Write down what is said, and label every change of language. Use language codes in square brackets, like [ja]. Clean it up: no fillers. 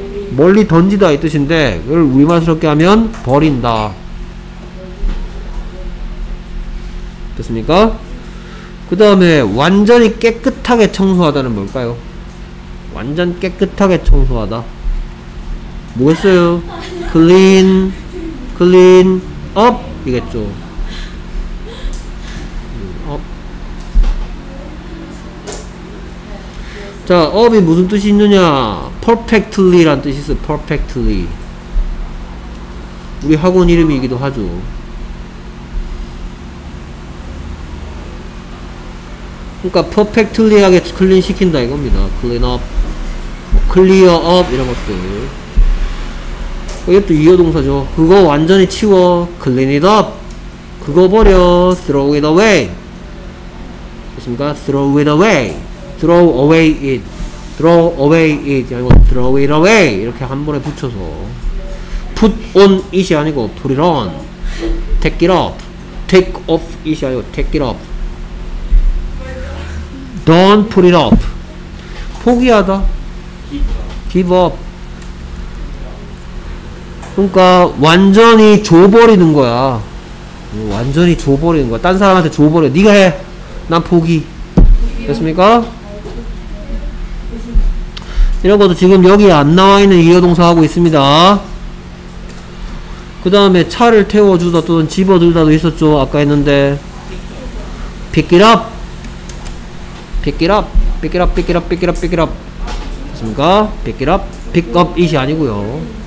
[ko] 멀리 던지다 이 뜻인데, 이걸 우리말스럽게 하면 버린다. 됐습니까? 그 다음에 완전히 깨끗하게 청소하다는 뭘까요? 완전 깨끗하게 청소하다 뭐겠어요? [en] clean clean up 이겠죠. up. [ko] 자 up이 무슨 뜻이 있느냐? perfectly 라는 뜻이 있어요. perfectly 우리 학원 이름이기도 하죠. 그러니까 퍼펙트리하게 클린 시킨다 이겁니다. 클린 업, 뭐 클리어 업 이런 것들. 이것도 유효 동사죠. 그거 완전히 치워, [en] clean it up. [ko] 그거 버려, [en] throw it away. [ko] 됐습니까? [en] throw it away, throw away it, throw away it, 아니고 throw it away [ko] 이렇게 한 번에 붙여서 [en] put on it이 아니고 put it on, take it off, take off it이 아니고 take it off. Don't put it off. [ko] 포기하다. [en] Give up. [ko] 그러니까 완전히 줘버리는 거야. 완전히 줘버리는 거야. 딴 사람한테 줘버려. 네가 해. 난 포기. 됐습니까? 이런 것도 지금 여기 안 나와 있는 이어 동사 하고 있습니다. 그 다음에 차를 태워주다 또는 집어들다도 있었죠. [en] 아까 했는데 Pick it up. Pick it up, pick it up, pick it up, pick it up, pick it up. [ko] 됐습니까? [en] Pick it up, pick up it [ko] 이 아니고요.